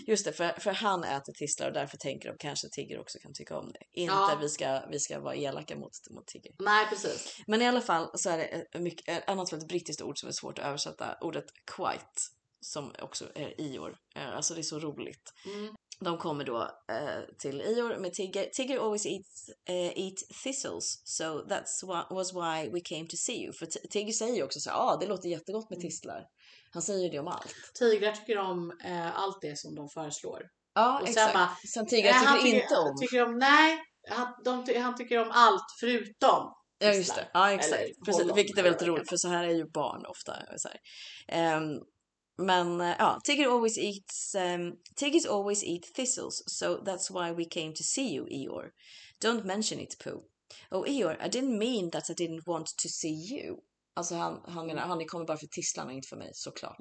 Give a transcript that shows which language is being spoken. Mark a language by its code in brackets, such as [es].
[sv] Just det, för han äter tistlar och därför tänker de kanske tigger också kan tycka om det. Inte vi ska vara elaka mot tigger. Nej, precis. Men i alla fall så är det ett annat väldigt brittiskt ord som är svårt att översätta. Ordet quiet, som också är Ior. Alltså det är så roligt. Mm. De kommer då till Ior med tigger. [en] Tigger always eat thistles, so that's was why we came to see you. [sv] För tigger säger ju också så, det låter jättegott med tistlar. Han säger ju det om allt. Tigrar tycker om allt det som de föreslår. Ja, och exakt. Sen tigrar tycker inte om. Nej, han tycker om allt förutom. Ja, just det. Ja, exakt. Precis, vilket är väldigt roligt, för så här är ju barn ofta. Så här. Men ja, [en] tiggers always eat thistles, so that's why we came to see you, Ior. Don't mention it, Pooh. Oh, Ior, I didn't mean that I didn't want to see you. [sv] Alltså han menar, han kommer bara för tislarna, inte för mig, såklart.